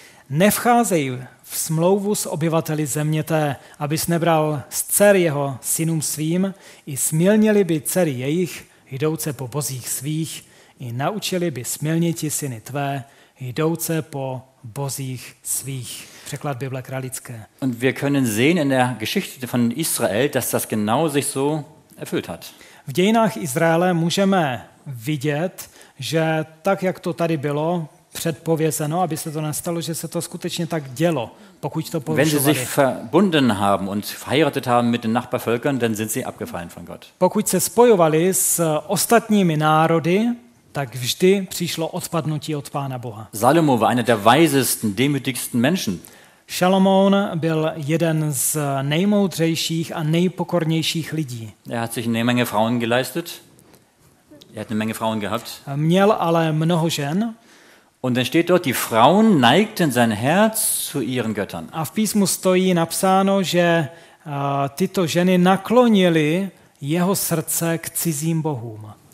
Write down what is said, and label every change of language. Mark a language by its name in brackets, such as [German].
[Czech] Nevcházej v smlouvu s obyvateli země té, abys nebral z dcer jeho synům svým, i smilnili by dcery jejich, jdouce po bozích svých, i naučili by smilniti syny tvé, jdouce po bozích svých. Překlad Bible Kralické. [German] Und wir können sehen in der Geschichte von Israel, dass das genau sich so erfüllt hat. [Czech] V dějinách Izraele můžeme vidět, že tak, jak to tady bylo předpovězeno, aby se to nestalo, že se to skutečně tak dělo, pokud to porušovali. [German] Wenn sie sich verbunden haben und verheiratet haben mit den Nachbarvölkern, dann sind sie abgefallen von Gott. [Czech] Pokud se spojovali s ostatními národy, tak vždy přišlo odpadnutí od Pána Boha. [German] Salomo war einer der weisesten, demütigsten Menschen. [Czech] Šalomón byl jeden z nejmoudřejších a nejpokornějších lidí. [German] Er hat sich eine Menge Frauen geleistet. Er hat eine Menge Frauen gehabt. [Czech] Měl ale mnoho žen. [German] Und dann steht dort, die Frauen neigten sein Herz zu ihren Göttern. [Czech] A v písmu stojí napsáno, že tyto ženy naklonily jeho srdce k cizím bohům.